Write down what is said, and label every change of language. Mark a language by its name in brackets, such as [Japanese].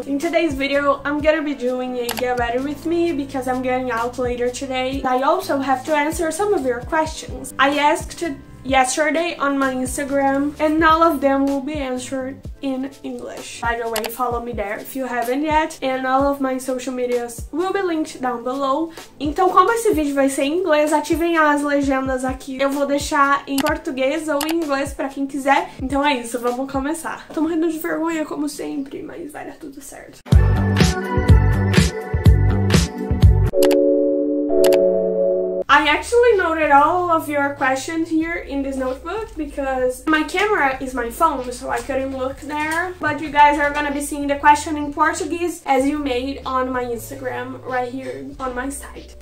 [English] In today's video, I'm gonna be doing a get ready with me because I'm getting out later today. I also have to answer some of your questions. I asked yesterday on my Instagram and all of them will be answered in English. By the way, follow me there if you haven't yet, and all of my social medias will be linked down below. [Portuguese] Então, como esse vídeo vai ser em inglês, ativem as legendas aqui. Eu vou deixar em português ou em inglês pra quem quiser. Então é isso, vamos começar. Tô morrendo de vergonha, como sempre, mas vai dar tudo certo. [English] I actually noted all of your questions here in this notebook because my camera is my phone, so I couldn't look there. But you guys are gonna be seeing the question in Portuguese as you made on my Instagram right here on my site.